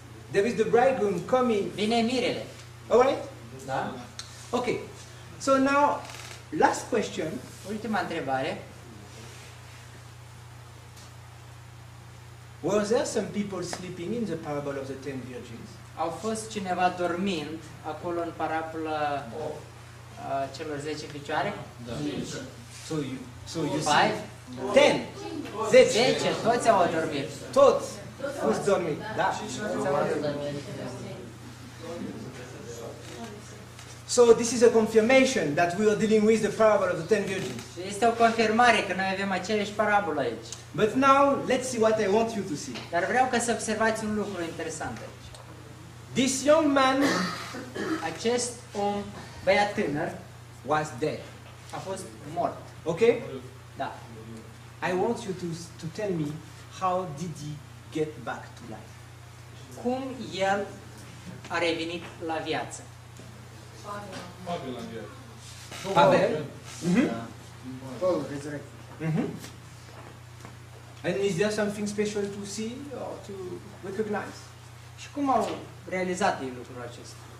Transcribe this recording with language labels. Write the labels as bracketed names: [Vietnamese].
[English] There is the bridegroom coming. [Romanian] Vine mirele. [English] All right? [Romanian] Da. [English] Okay. So now, last question. [Romanian] Ultima întrebare. [English] Were there some people sleeping in the parable of the 10 virgins? [Romanian] Au fost cineva dormind acolo în parabola celor 10 fecioare? Da. [English] So you five? See? 10. 10. [Romanian] 10. Toți au dormit. Toți. Fost dormit, da. [English] So this is a confirmation that we are dealing with the parable of the 10 virgins. [Romanian] Este o confirmare că noi avem aceeași parabolă aici. [English] But now let's see what I want you to see. [Romanian] Dar vreau ca să observați un lucru interesant aici. [English] This young man, [Romanian] acest om, băiat tânăr, [English] was dead. [Romanian] A fost mort. [English] Okay? [Romanian] Da. [English] I want you to tell me how did he get back to life. [Romanian] Cum el a revenit la viață? Pavel. Pavel. Pavel. Mhm. Pavel. Mhm. [English] And is there something special to see or to recognize? [Romanian] Și cum au realizat ei lucrul acesta?